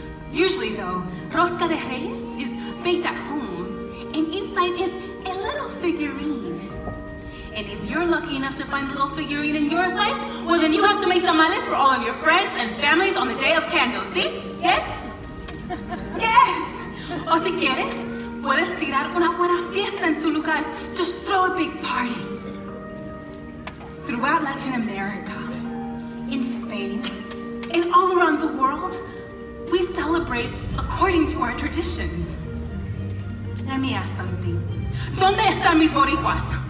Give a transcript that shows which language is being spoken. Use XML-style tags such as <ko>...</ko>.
<en>Usually, though, Rosca de Reyes is baked at home, and inside is a little figurine. And if you're lucky enough to find the little figurine in your slice, well, then you have to make tamales for all of your friends and families on the day of candles,</en> <es>¿sí?</es> <en>Yes? Yes!</en> <es>O si quieres, puedes tirar una buena fiesta en su lugar.</es> <en>Just throw a big party. Throughout Latin America, in Spain, and all around the world, we celebrate according to our traditions. Let me ask something.</en> <es>¿Dónde están mis boricuas?</es>